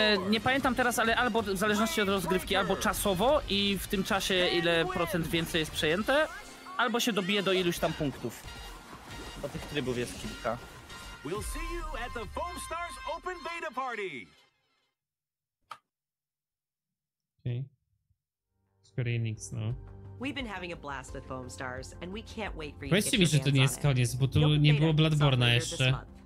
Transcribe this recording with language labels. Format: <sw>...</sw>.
<pl>Nie pamiętam teraz, ale albo w zależności od rozgrywki, albo czasowo i w tym czasie ile procent więcej jest przejęte, albo się dobije do iluś tam punktów. Bo tych trybów jest kilka.</pl> <en>We'll see you at the Foam Stars open beta party. Okay. Square Enix, no. We've been having a blast with Foam Stars and we can't wait for you.</en> <pl>Powiedzcie mi, że to nie jest koniec, bo tu nie było Bloodborne'a jeszcze.</pl>